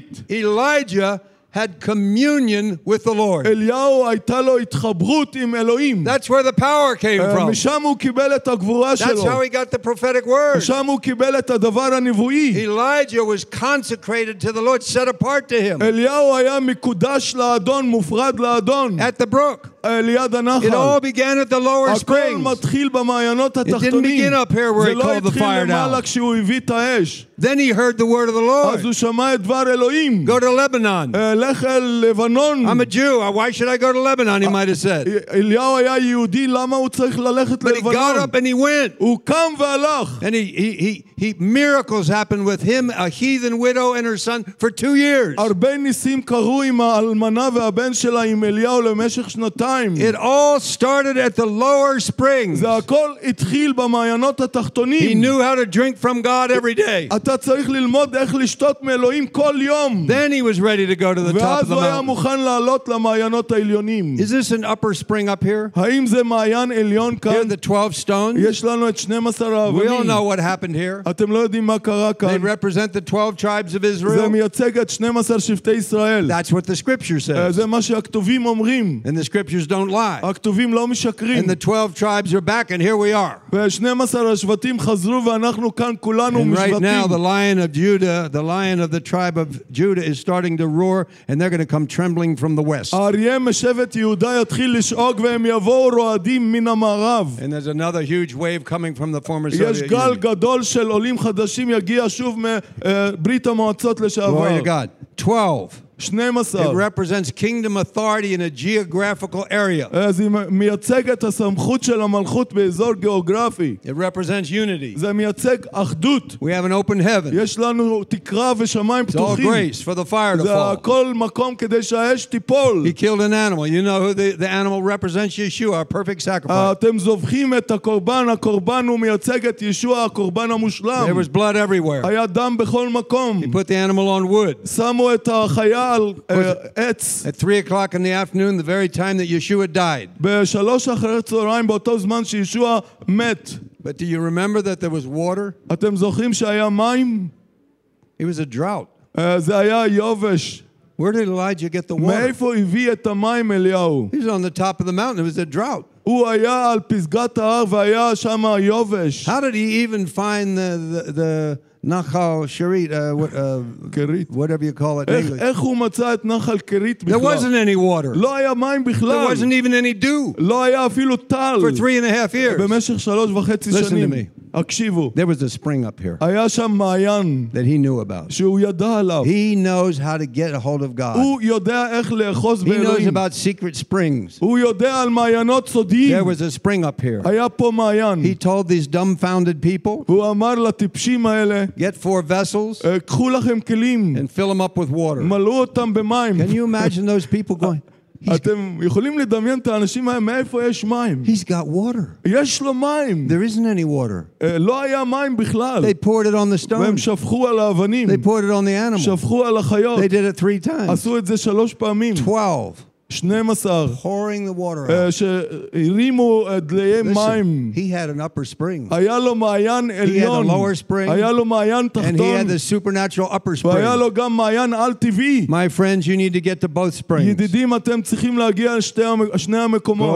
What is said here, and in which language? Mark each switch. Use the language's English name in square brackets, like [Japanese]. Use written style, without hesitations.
[English] Elijah had communion with the Lord. [Hebrew] אליהו הייתה לו התחברות עם אלוהים. [English] That's where the power came from. [Hebrew] משם הוא קיבל את הגבורה שלו. [English] That's how he got the prophetic word. [Hebrew] משם הוא קיבל את הדבר הנבואי. [English] Elijah was consecrated to the Lord, set apart to him. [Hebrew] אליהו היה מקודש לאדון, מופרד לאדון. [English] At the brook. [Hebrew] ליד הנחל. [English] It all began at the lower springs. [Hebrew] הכל מתחיל במעיינות התחתונים. [English] It didn't begin up here where he called the fire down. [Hebrew] זה לא התחיל למעלה כשהוא הביא את האש. [English] Then he heard the word of the Lord. [Hebrew] אז הוא שמע את דבר אלוהים. [English] Go to Lebanon. [Hebrew] לך אל לבנון. [English] I'm a Jew. Why should I go to Lebanon? He might have said. [Hebrew] אליהו היה יהודי. למה הוא צריך ללכת לבנון? [English] But he got up and he went. [Hebrew] הוא קם והלך. [English] And he miracles happened with him, a heathen widow and her son, for 2 years. [Hebrew] הרבה ניסים קרו עם האלמנה והבן שלה עם אליהו למשך שנתיים. [English] It all started at the lower springs. [Hebrew] זה הכל התחיל במעיינות התחתונים. [English] He knew how to drink from God every day. [Hebrew] אתה צריך ללמוד איך לשתות מאלוהים כל יום. [English] Then he was ready to go to the top of the mountain. [Hebrew] ואז הוא היה מוכן לעלות למעיינות העליונים. [English] Is this an upper spring up here? [Hebrew] האם זה מעיין עליון כאן? [English] Here the 12 stones. [Hebrew] יש לנו את 12 האבנים. [English] We all know what happened here. [Hebrew] אתם לא יודעים מה קרה כאן. [English] They represent the 12 tribes of Israel. [Hebrew] זה מייצג את 12 שבטי ישראל. [English] That's what the scripture says. [Hebrew] זה מה שהכתובים אומרים. [English] And the scriptures don't lie. [Hebrew] הכתובים לא משקרים. [English] And the 12 tribes are back and here we are. [Hebrew] ו-12 השבטים חזרו ואנחנו כאן כולנו משבטים. [English] Now the lion of Judah, the lion of the tribe of Judah is starting to roar and they're going to come trembling from the west. [Hebrew] אריה משבט יהודה יתחיל לשאוג והם יבואו רועדים מן המערב. [English] And there's another huge wave coming from the former Soviet Union. [Hebrew] יש גל גדול של עולים חדשים יגיע שוב מברית המועצות לשעבר. [English] Glory to God. 12. [Hebrew] 12. [English] It represents kingdom authority in a geographical area. [Hebrew] זה מייצג את הסמכות של המלכות באזור גיאוגרפי. [English] It represents unity. [Hebrew] זה מייצג אחדות. [English] We have an open heaven. [Hebrew] יש לנו תקרה ושמיים פתוחים. [English] It's all grace for the fire to fall. [Hebrew] זה הכל מקום כדי שהאש תיפול. [English] He killed an animal. You know who the animal represents? Yeshua, our perfect sacrifice. [Hebrew] אתם זובחים את הקורבן. הקורבן הוא מייצג את ישוע, הקורבן המושלם. [English] There was blood everywhere. [Hebrew] היה דם בכל מקום. [English] He put the animal on wood. [Hebrew] שמו את החיה [English] at 3:00 in the afternoon, the very time that Yeshua died. [Hebrew] בשלוש אחרי הצהריים, באותו זמן שישוע מת. [English] But do you remember that there was water? [Hebrew] אתם זוכרים שהיה מים? [English] It was a drought. [Hebrew] זה היה יובש. [English] Where did Elijah get the water? [Hebrew] מאיפה הביא את המים אליהו? [English] He was on the top of the mountain. It was a drought. [Hebrew] הוא היה על פסגת ההר והיה שם יובש. [English] How did he even find the Nachal Kerit, whatever you call it. [Hebrew] איך הוא מצא את נחל קרית בכלל? [English] There wasn't any water. [Hebrew] לא היה מים בכלל. [English] There wasn't even any dew. [Hebrew] לא היה אפילו טל. [English] For 3.5 years. [Hebrew] במשך 3.5 שנים. [English] Listen to me. [Hebrew] הקשיבו. [English] There was a spring up here. [Hebrew] היה שם מעיין. [English] That he knew about. [Hebrew] שהוא ידע עליו. [English] He knows how to get a hold of God. [Hebrew] הוא יודע איך לאחוז באלוהים. [English] He knows about secret springs. [Hebrew] הוא יודע על מעיינות סודיים. [English] There was a spring up here. [Hebrew] היה פה מעיין. [English] He told these dumbfounded people. [Hebrew] הוא אמר לטיפשים האלה. [English] Get 4 vessels. [Hebrew] קחו לכם כלים. [English] And fill them up with water. [Hebrew] מלאו אותם במים. [English] Can you imagine those people going? [Hebrew] אתם יכולים לדמיין את האנשים האלה, מאיפה יש מים? [English] He's got water. [Hebrew] יש לו מים. [English] There isn't any water. [Hebrew] לא היה מים בכלל. [English] They poured it on the stone. [Hebrew] והם שפכו על האבנים. [English] They poured it on the animal. [Hebrew] שפכו על החיות. [English] They did it 3 times. [Hebrew] עשו את זה 3 פעמים. [English] 12. [Hebrew] 12. [English] Pouring the water [Hebrew] out. שהרימו דלי מים. [English] He had an upper spring. [Hebrew] היה לו מעיין עליון. [English] He had a lower spring. [Hebrew] היה לו מעיין תחתון. [English] And he had the supernatural upper spring. [Hebrew] והיה לו גם מעיין על טבעי. [English] My friends, you need to get to both springs. [Hebrew] ידידים, אתם צריכים להגיע לשני המקומות.